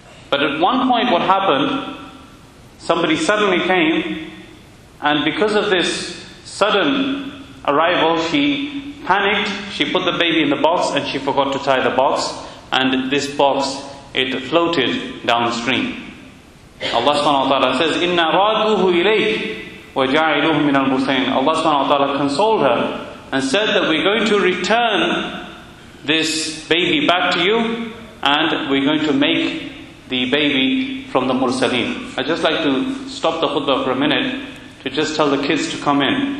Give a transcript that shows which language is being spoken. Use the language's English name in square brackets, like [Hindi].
[English] But at one point what happened, somebody suddenly came, and because of this sudden arrival, she panicked, she put the baby in the box and she forgot to tie the box, and this box, it floated downstream. Allah subhanahu wa ta'ala says, [Arabic] إِنَّا رَادُوهُ إِلَيْكِ وَجَعِلُوهُ مِنَ الْمُسْلِمِينَ. [English] Allah subhanahu wa ta'ala consoled her and said that we're going to return this baby back to you and we're going to make the baby from the Mursaleen. I'd just like to stop the khutbah for a minute to just tell the kids to come in.